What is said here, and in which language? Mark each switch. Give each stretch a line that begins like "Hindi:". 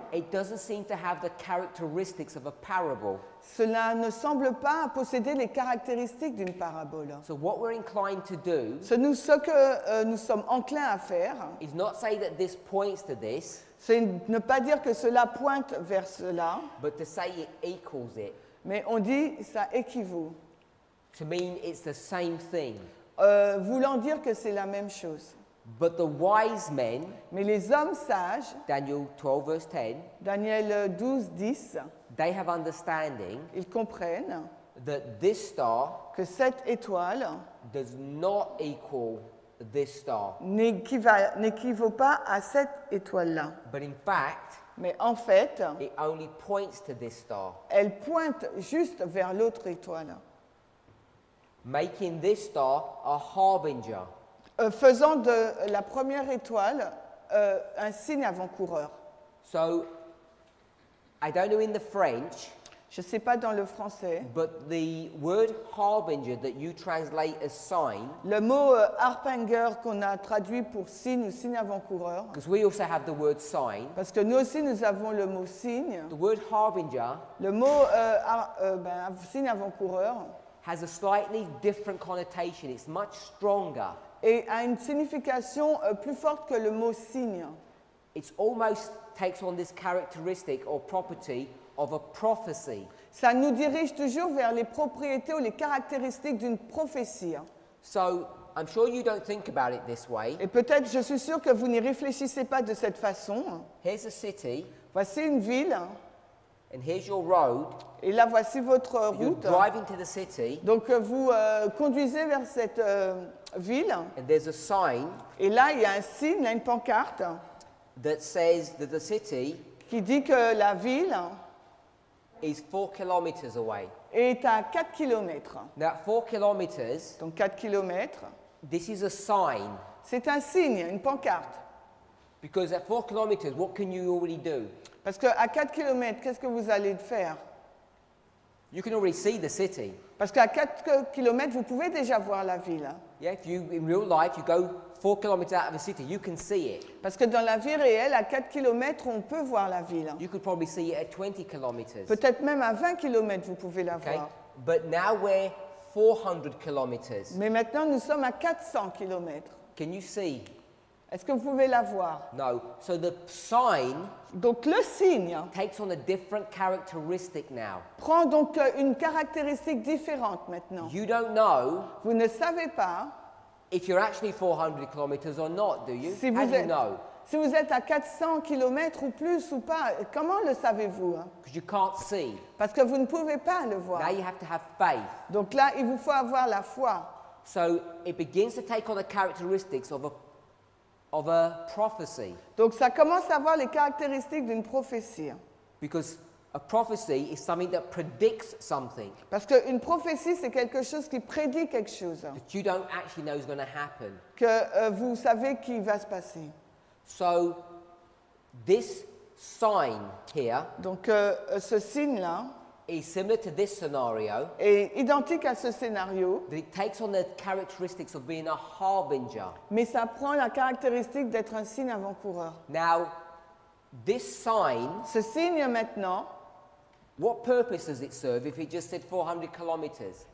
English: it doesn't seem to have the characteristics of a parable.
French: Cela ne semble pas posséder les caractéristiques d'une parabole.
English: So what we're inclined to do,
French: ce que nous sommes enclins à faire,
English: is not say that this points to this,
French: c'est ne pas dire que cela pointe vers cela,
English: but to say it equals it,
French: mais on dit ça équivaut,
English: to mean it's the same thing,
French: voulant dire que c'est la même chose.
English: But the wise men,
French: mais les hommes sages,
English: Daniel 12 verse 10,
French: Daniel 12, 10,
English: they have understanding,
French: ils comprennent,
English: that this star,
French: que cette étoile,
English: does not equal this star,
French: n'équivaut pas à cette étoile-là.
English: But in fact,
French: mais en fait,
English: it only points to this star,
French: elle pointe juste vers l'autre étoile,
English: making this star a harbinger.
French: Faisant de la première étoile un signe avant-coureur.
English: So, I don't know in the French,
French: je ne sais pas dans le français,
English: but the word harbinger that you translate as sign,
French: le mot harbinger qu'on a traduit pour signe ou signe avant-coureur,
English: because we also have the word sign,
French: parce que nous aussi nous avons le mot signe,
English: the word harbinger,
French: le mot signe avant-coureur,
English: has a slightly different connotation, it's much stronger.
French: Et a une signification plus forte que le mot signe.
English: It almost takes on this characteristic or property of a prophecy.
French: Ça nous dirige toujours vers les propriétés ou les caractéristiques d'une prophétie.
English: So, I'm sure you don't think about it this way.
French: Et peut-être je suis sûr que vous n'y réfléchissez pas de cette façon.
English: Here's a city.
French: Voici une ville.
English: And here's your road.
French: Et là voici votre route.
English: You're driving to the city.
French: Donc vous conduisez vers cette ville.
English: And there's a sign.
French: Et là il y a un signe, là, une pancarte.
English: That says that the city.
French: Qui dit que la ville.
English: Is 4 kilometers away.
French: Est à 4 kilomètres.
English: That 4 kilometers.
French: Donc 4 kilomètres.
English: This is a sign.
French: C'est un signe, une pancarte.
English: Because at 4 kilometers, what can you already do?
French: Parce qu'à 4 km, qu'est-ce que vous allez faire?
English: You can already see the city.
French: Parce qu'à 4 km, vous pouvez déjà voir la ville.
English: Yeah, if you, in real life, you go 4 km out of the city, you can see it.
French: Parce que dans la vie réelle, à 4 km, on peut voir la ville.
English: You could probably see it at 20 km.
French: Peut-être même à 20 km, vous pouvez la voir.
English: But now we're 400 km.
French: Mais maintenant, nous sommes à 400 km.
English: Can you see?
French: Est-ce que vous pouvez la voir?
English: No. So the sign,
French: donc le signe,
English: takes on a different characteristic now.
French: Prend donc une caractéristique différente maintenant.
English: You don't know.
French: Vous ne savez pas.
English: If you're actually 400 kilometers or not, do you?
French: Si
English: How
French: êtes,
English: do you know?
French: Si vous êtes à 400 km ou plus ou pas, comment le savez-vous?
English: Because you can't see.
French: Parce que vous ne pouvez pas le voir.
English: Now you have to have faith.
French: Donc là, il vous faut avoir la foi.
English: So it begins to take on the characteristics of a of a prophecy.
French: Donc ça commence à avoir les caractéristiques d'une prophétie.
English: Because a prophecy is something that predicts something.
French: Parce qu'une prophétie c'est quelque chose qui prédit quelque chose.
English: That you don't actually know is going to happen.
French: Que vous savez qui va se passer.
English: So this sign here.
French: Donc ce signe là.
English: Is similar to this scenario.
French: Est identique à ce scénario.
English: But it takes on the characteristics of being a harbinger.
French: Mais ça prend la caractéristique d'être un signe avant-coureur.
English: Now, this sign.
French: Ce signe maintenant.
English: What purpose does it serve if it just said 400 kilometers?